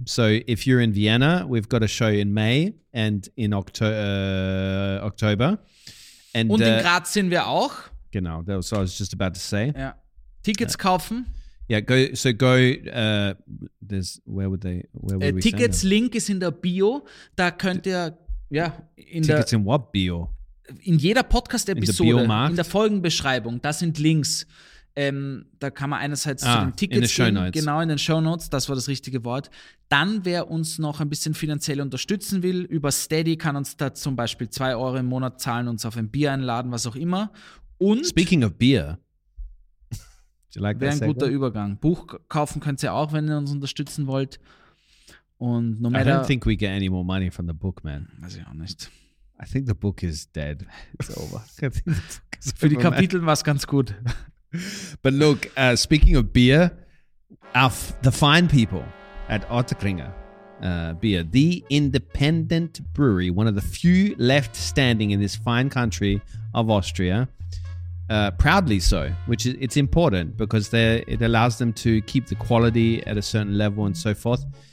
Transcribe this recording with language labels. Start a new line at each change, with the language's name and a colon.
English: So if you're in Vienna, we've got a show in May and in October.
German: Und in Graz sind wir auch. Genau,
English: that was what I was just about to say.
German: Ja. Tickets kaufen.
English: Yeah, go, there's, where would they, where would we
German: Tickets
English: send them?
German: Link ist in der Bio, da könnt ihr, ja, in Tickets der,
English: in what Bio?
German: In jeder Podcast-Episode, in der Folgenbeschreibung, da sind Links. Da kann man einerseits zu den Tickets in gehen, genau in den Shownotes, das war das richtige Wort. Dann, wer uns noch ein bisschen finanziell unterstützen will, über Steady kann uns da zum Beispiel 2 Euro im Monat zahlen, uns auf ein Bier einladen, was auch immer. Und
English: speaking of beer, like
German: wäre ein guter Übergang. Buch kaufen könnt ihr auch, wenn ihr uns unterstützen wollt.
English: Und no matter, I don't think we get any more money from the book, man.
German: Weiß ich auch nicht.
English: I think the book is dead. It's over.
German: Für over, die Kapitel war es ganz gut.
English: But look, speaking of beer, the fine people at Otterkringer Beer, the independent brewery, one of the few left standing in this fine country of Austria, proudly so, which is, it's important because it allows them to keep the quality at a certain level and so forth.